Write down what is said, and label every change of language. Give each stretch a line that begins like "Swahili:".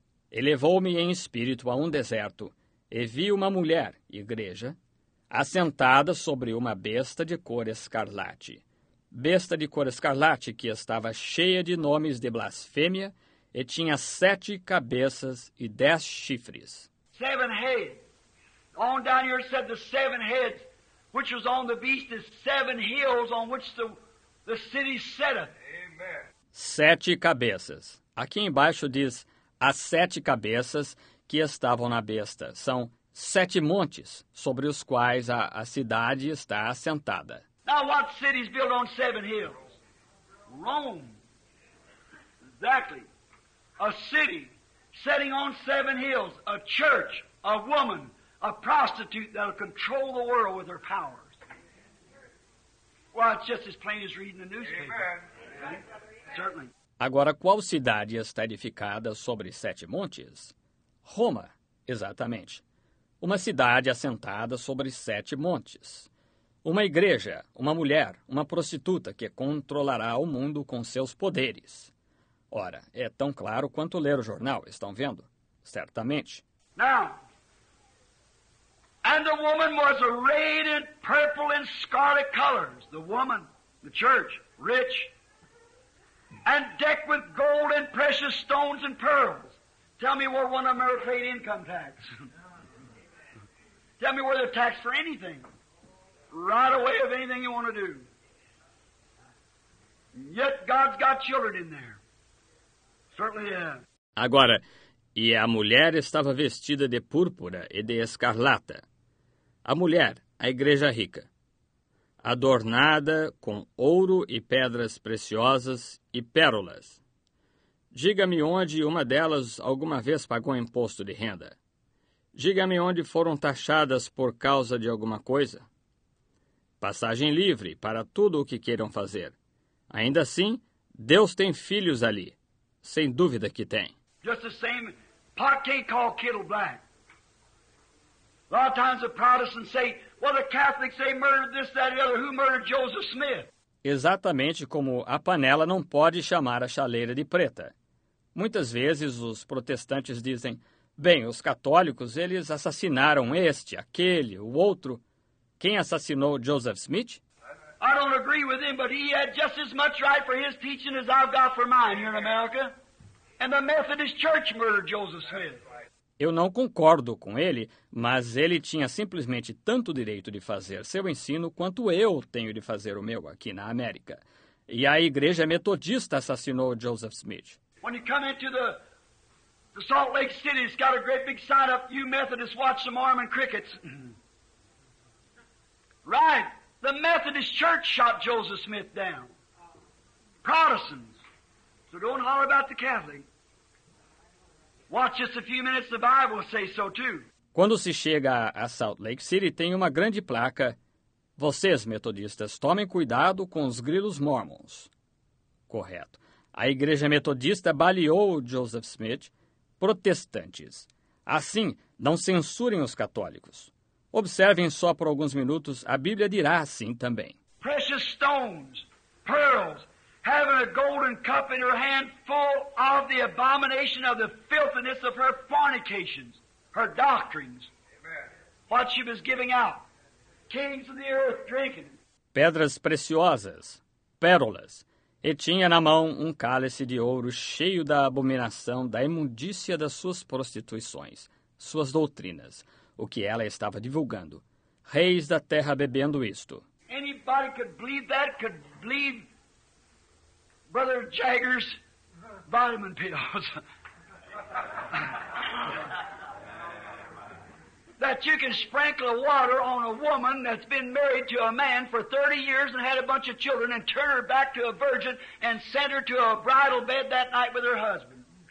Portuguese: Elevou-me em espírito a um deserto, e vi uma mulher, igreja, assentada sobre uma besta de cor escarlate. Besta de cor escarlate que estava cheia de nomes de blasfêmia e tinha sete cabeças e dez chifres.
English: Seven heads. On down here said the seven heads, which was on the beast, is seven hills on which the city set up. Amen.
Portuguese: Sete cabeças. Aqui embaixo diz, as sete cabeças que estavam na besta. São sete montes sobre os quais a cidade está assentada.
English: Now what city is built on seven hills? Rome. Exactly. A city setting on seven hills. A church, a woman, a prostitute that will control the world with her powers. Well, it's just as plain as reading the newspaper. Amen. Right? Certainly.
Portuguese: Agora, qual cidade está edificada sobre sete montes? Roma, exatamente. Uma cidade assentada sobre sete montes. Uma igreja, uma mulher, uma prostituta que controlará o mundo com seus poderes. Ora, é tão claro quanto ler o jornal, estão vendo? Certamente.
English: Now, and the woman was arrayed in purple and scarlet colors. The woman, the church, rich. And decked with gold and precious stones and pearls. Tell me where one of them ever paid income tax. Tell me where they're taxed for anything. Right away of anything you want to do. Yet God's got children in there. Certainly is.
Portuguese: Agora, e a mulher estava vestida de púrpura e de escarlata. A mulher, a igreja rica. Adornada com ouro e pedras preciosas e pérolas. Diga-me onde uma delas alguma vez pagou imposto de renda. Diga-me onde foram taxadas por causa de alguma coisa. Passagem livre para tudo o que queiram fazer. Ainda assim, Deus tem filhos ali. Sem dúvida que tem.
English: Just the same, pot can't call kettle black. A lot of times the Protestants say, well, the Catholics, they murdered this, that, and the other. Who murdered Joseph Smith?
Portuguese: Exatamente como a panela não pode chamar a chaleira de preta. Muitas vezes os protestantes dizem, bem, os católicos, eles assassinaram este, aquele, o outro. Quem assassinou Joseph Smith?
English: I don't agree with him, but he had just as much right for his teaching as I've got for mine here in America. And the Methodist Church murdered Joseph Smith.
Portuguese: Eu não concordo com ele, mas ele tinha simplesmente tanto direito de fazer seu ensino quanto eu tenho de fazer o meu aqui na América. E a Igreja Metodista assassinou Joseph Smith.
English: When you come into the Salt Lake City, it's got a great big sign up, you Methodists watch some Mormon crickets. Right, the Methodist Church shot Joseph Smith down. Protestants. So don't holler about the Catholic. Watch just a few minutes, the Bible says so too.
Portuguese: Quando se chega a Salt Lake City, tem uma grande placa. Vocês, metodistas, tomem cuidado com os grilos mormons. Correto. A igreja metodista baleou Joseph Smith. Protestantes. Assim, não censurem os católicos. Observem só por alguns minutos, a Bíblia dirá assim também.
English: Precious stones, pearls. Having a golden cup in her hand full of the abomination of the filthiness of her fornications, her doctrines, amen. What she was giving out, kings of the earth drinking.
Portuguese: Pedras preciosas, pérolas, e tinha na mão um cálice de ouro cheio da abominação, da imundícia das suas prostituições, suas doutrinas, o que ela estava divulgando. Reis da terra bebendo isto.
English: Anybody could believe that, could believe Brother Jagger's vitamin pills. That you can sprinkle water on a woman that's been married to a man for 30 years and had a bunch of children and turn her back to a virgin and send her to a bridal bed that night with her husband.